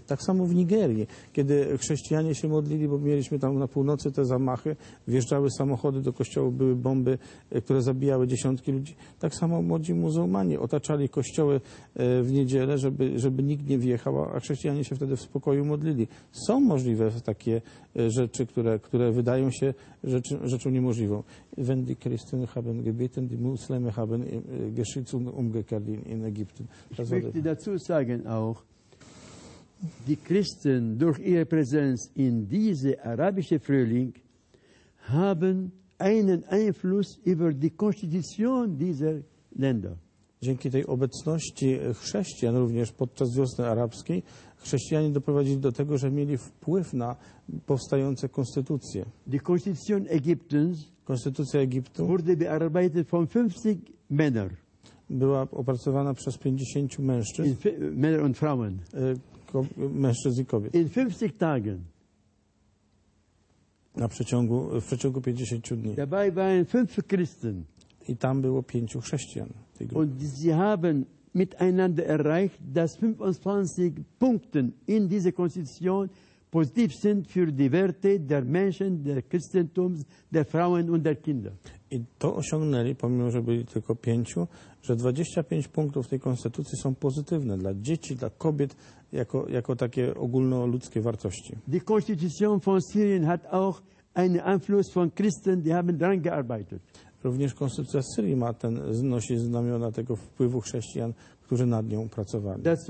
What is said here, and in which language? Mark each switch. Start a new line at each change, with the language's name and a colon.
Polish: Tak samo w Nigerii, kiedy chrześcijanie się modlili, bo mieliśmy tam na północy te zamachy, wjeżdżały samochody do kościołów, były bomby, które zabijały dziesiątki ludzi. Tak samo młodzi muzułmanie otaczali kościoły w niedzielę, żeby nikt nie wjechał, a chrześcijanie się wtedy w spokoju modlili. Są możliwe takie rzeczy, które wydają się rzeczą niemożliwą.
German: Wenn die Christen haben gebeten, die Muslime haben geschützt und umgekehrt in Ägypten. Das ich möchte dazu sagen auch, die Christen durch ihre Präsenz in diese arabische Frühling haben einen Einfluss über die Konstitution dieser Länder.
Polish: Dzięki tej obecności chrześcijan również podczas wiosny arabskiej, chrześcijanie doprowadzili do tego, że mieli wpływ na powstające konstytucje.
German: Die Konstitution Ägyptens,
Polish: Konstytucja Egiptu,
German: wurde bearbeitet von 50 Männer.
Polish: Była opracowana przez 50 mężczyzn.
German: Männer und Frauen.
Polish: Mężczyzn i kobiet.
German: In 50 Tagen.
Polish: W przeciągu 50 dni.
German: Dabei waren 5 Christen.
Polish: I tam było 5 chrześcijan.
German: Und sie haben miteinander erreicht, dass 25 Punkte in dieser Konstitution positiv sind für die Werte der Menschen, der Christentums, der Frauen und der Kinder.
Polish: I to osiągnęli, pomimo że byli tylko 5, że 25 punktów tej konstytucji są pozytywne dla dzieci, dla kobiet, jako takie ogólnoludzkie wartości.
German: Die Konstitution von Syrien hat auch einen Einfluss von Christen, die haben daran gearbeitet.
Polish: Również konstytucja Syrii ma ten, znosi znamiona tego wpływu chrześcijan, którzy nad nią pracowali.